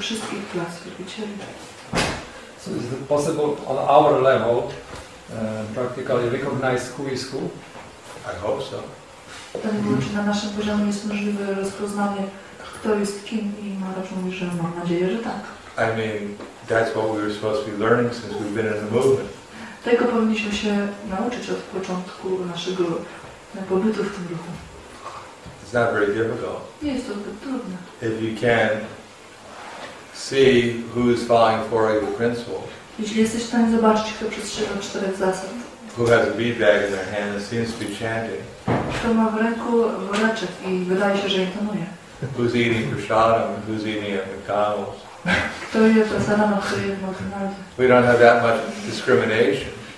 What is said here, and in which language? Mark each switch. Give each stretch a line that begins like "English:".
English: So is it possible on our level practically recognize who is who? I hope so.
Polish: Na naszym poziomie jest możliwe rozpoznanie. Kto jest kim i Maharaj mówi, że mam nadzieję, że tak.
English: I mean, that's what we were supposed to be learning since we've been in the movement.
Polish: Tego powinniśmy się nauczyć od początku naszego pobytu w tym ruchu.
English: It's not very difficult.
Polish: Nie jest to zbyt trudne.
English: If you can see who is following four of the principles.
Polish: Jeśli jesteś w stanie zobaczyć, kto przestrzega czterech zasad.
English: Who has a bead bag in their hand and seems to be chanting.
Polish: Kto ma w ręku woreczek i wydaje się, że intonuje.
English: Who's eating prasadam and who's eating at McDonald's? We don't have that much discrimination.